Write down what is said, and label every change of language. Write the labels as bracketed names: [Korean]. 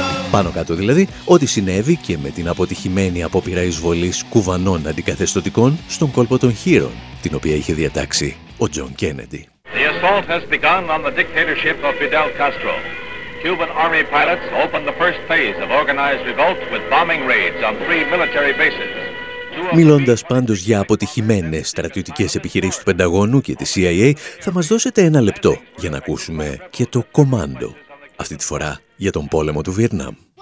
[Greek] Πάνω κάτω δηλαδή, ό,τι συνέβη και με την αποτυχημένη απόπειρα εισβολής κουβανών αντικαθεστωτικών στον κόλπο των Χείρων, την οποία είχε διατάξει ο Τζον Κένεντι. [English] The assault has begun on the dictatorship of Fidel Castro. Cuban army pilots opened the first phase of organized revolt with bombing raids on three military bases. [Greek] Μιλώντας πάντως για αποτυχημένες στρατιωτικές επιχειρήσεις του Πενταγώνου και της CIA, θα μας δώσετε ένα λεπτό για να ακούσουμε και το κομάντο. Αυτή τη φορά για τον πόλεμο του Βιετνάμ.